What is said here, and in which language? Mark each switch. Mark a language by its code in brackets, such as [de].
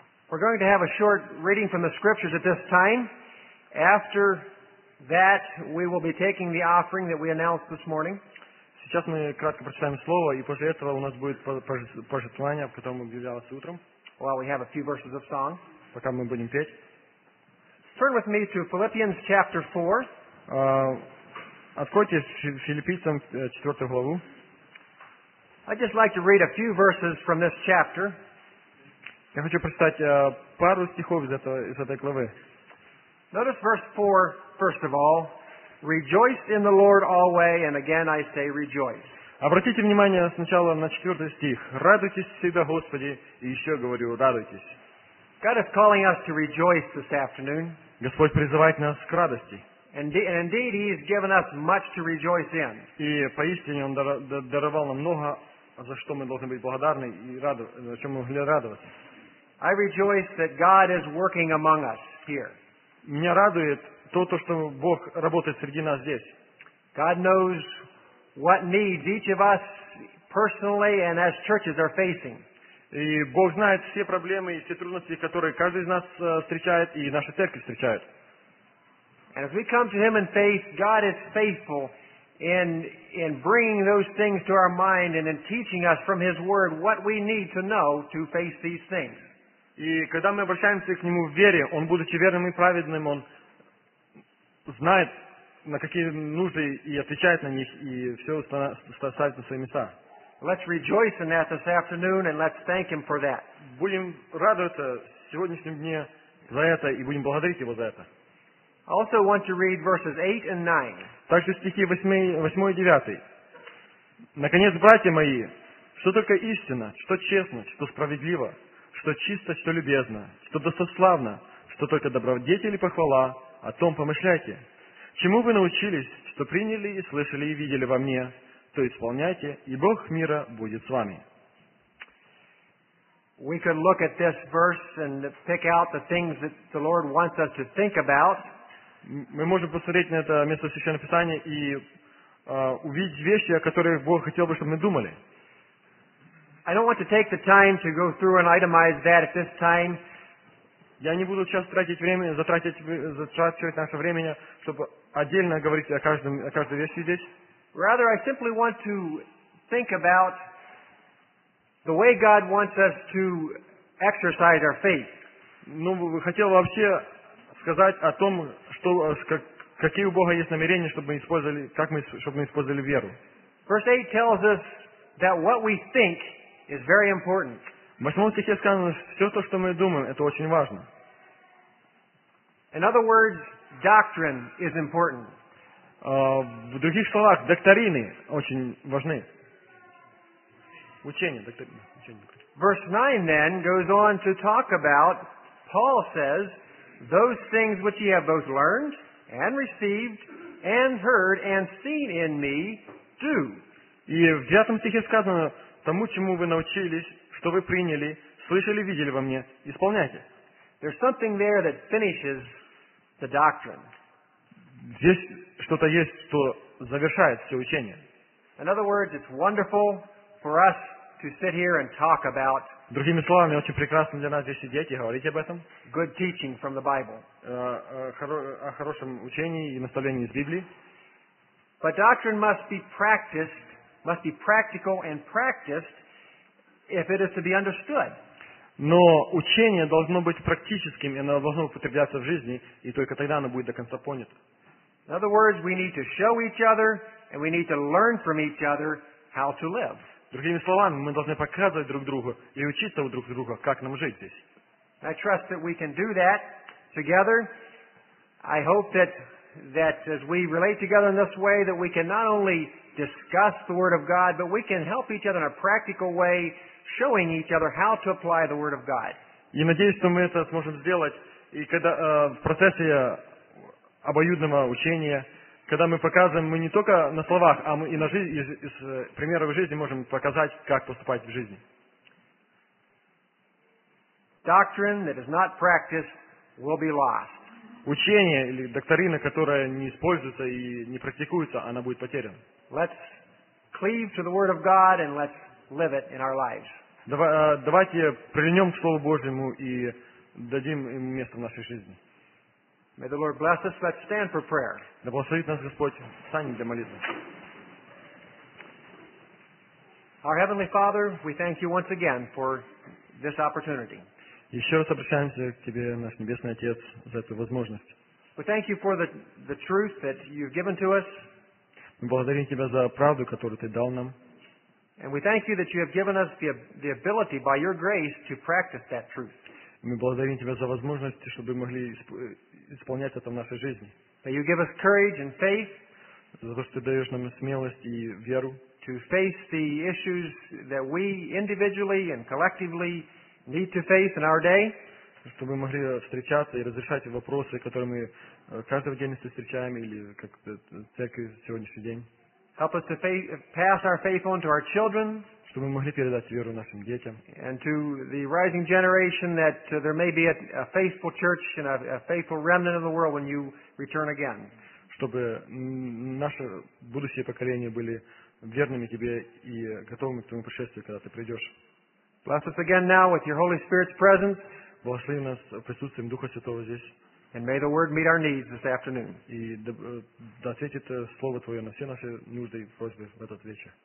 [en] We're going to have a short reading from the scriptures at this time. After that, we will be taking the offering that we announced this morning. [ru] Сейчас мы кратко прочитаем слово, и после этого у нас будет пожертвование, потом объявляться утром. [en] While we have a few verses of song. [ru] Пока мы будем петь. [en] Turn with me to Philippians chapter 4. [ru] Откройте Филиппийцам 4 главу. [en] I'd just like to read a few verses from this chapter. [ru] Я хочу прочитать пару стихов из этой главы. [en] Notice verse 4, first of all. Rejoice in the Lord always, and again I say rejoice. [ru] Обратите внимание сначала на 4 стих. Радуйтесь всегда, Господи, и еще говорю, радуйтесь. [en] God is calling us to rejoice this afternoon. [ru] Господь призывает нас к радости. [en] And indeed, He has given us much to rejoice in. [ru] И поистине Он даровал нам много, за что мы должны быть благодарны и за что мы могли радоваться. [en] I rejoice that God is working among us here. [ru] Меня радует то, что Бог работает среди нас здесь. [en] God knows what needs each of us personally and as churches are facing. [ru] И Бог знает все проблемы и все трудности, которые каждый из нас встречает и наша церковь встречает. [en] And as we come to Him in faith, God is faithful in bringing those things to our mind and in teaching us from His Word what we need to know to face these things. [ru] И когда мы обращаемся к Нему в вере, Он, будучи верным и праведным, Он знает, на какие нужды и отвечает на них, и все ставит на свои места. [en] Let's rejoice in that this afternoon and let's thank Him for that. [ru] Будем радоваться сегодняшнем дне за это и будем благодарить Его за это. [en] I also want to read verses 8 and 9. [ru] Также стихи 8 и 9. Наконец, братья мои, что только истина, что честно, что справедливо, что чисто, что любезно, что достославно, что только добродетель и похвала, о том помышляйте. Чему вы научились, что приняли и слышали и видели во мне, то исполняйте, и Бог мира будет с вами. [en] We could look at this verse and pick out the things that the Lord wants us to think about. [ru] Мы можем посмотреть на это место Священного Писания и увидеть вещи, о которых Бог хотел бы, чтобы мы думали. [en] I don't want to take the time to go through and itemize that at this time. [ru] Я не буду сейчас затрачивать наше время, чтобы отдельно говорить о каждой вещи здесь. [en] Rather, I simply want to think about the way God wants us to exercise our faith. [ru] Ну, хотел вообще сказать о том, какие у Бога есть намерения, чтобы мы использовали веру. [en] Verse 8 tells us that what we think is very important. [ru] В 8 стихе сказано, все то, что мы думаем, это очень важно. [en] In other words, doctrine is important. [ru] В других словах, доктрины очень важны. Учение, доктрины. [en] Verse 9 then goes on to talk about, Paul says, those things which ye have both learned and received and heard and seen in me, do. [ru] И в 9 стихе сказано, тому, чему вы научились, что вы приняли, слышали, видели во мне, исполняйте. [en] There's something there that finishes the doctrine. [ru] Здесь что-то есть, что завершает все учение. [en] In other words, it's wonderful for us to sit here and talk about. [ru] Другими словами, очень прекрасно для нас здесь сидеть и говорить об этом. [en] Good teaching from the Bible. [ru] О хорошем учении и наставлении из Библии. [en] But doctrine must be practiced, must be practical and practiced, if it is to be understood. [ru] Но учение должно быть практическим, и оно должно употребляться в жизни, и только тогда оно будет до конца понято. [en] In other words, we need to show each other, and we need to learn from each other how to live. [ru] Другими словами, мы должны показывать друг другу и учиться у друг друга, как нам жить здесь. [en] I trust that we can do that together. I hope that as we relate together in this way, that we can not only discuss the Word of God, but we can help each other in a practical way, showing each other how to apply the Word of God. [ru] Я надеюсь, что мы это сможем сделать, и когда в процессе обоюдного учения, когда мы показываем, мы не только на словах, а мы и на жизни, из примеров жизни можем показать, как поступать в жизни. [en] Doctrine that is not practiced will be lost. [ru] Учение или доктрина, которая не используется и не практикуется, она будет потеряна. [en] Let's cleave to the Word of God and let's live it in our lives. [ru] Давайте прильнем к Слову Божьему и дадим им место в нашей жизни. [en] May the Lord bless us. Let's stand for prayer. [ru] Да благословит нас Господь. Встанем для молитвы. [en] Our Heavenly Father, we thank you once again for this opportunity. [ru] Еще раз обращаемся к Тебе, наш Небесный Отец, за эту возможность. [en] We thank you for the truth that you've given to us. [ru] Мы благодарим Тебя за правду, которую Ты дал нам. [en] And we thank you that you have given us the ability by your grace to practice that truth. [ru] Мы благодарим Тебя за возможность, чтобы мы могли исполнять это в нашей жизни. [en] That you give us courage and faith. [ru] За то, что Ты даешь нам смелость и веру. [en] To face the issues that we individually and collectively need to face in our day. [ru] Чтобы мы могли встречаться и разрешать вопросы, которые мы каждый день встречаем или как церковь сегодняшний день. [en] Help us to pass our faith on to our children. [ru] Чтобы мы могли передать веру нашим детям. [en] And to the rising generation that there may be a faithful church and a faithful remnant of the world when you return again. [ru] Чтобы наши будущие поколения были верными Тебе и готовыми к Твоему пришествию, когда Ты придешь. [en] Bless us again now with your Holy Spirit's presence. [ru] Благослови нас присутствием Духа Святого здесь. [en] And may the Word meet our needs this afternoon. [ru] И да ответит Слово Твое на все наши нужды и просьбы в этот вечер.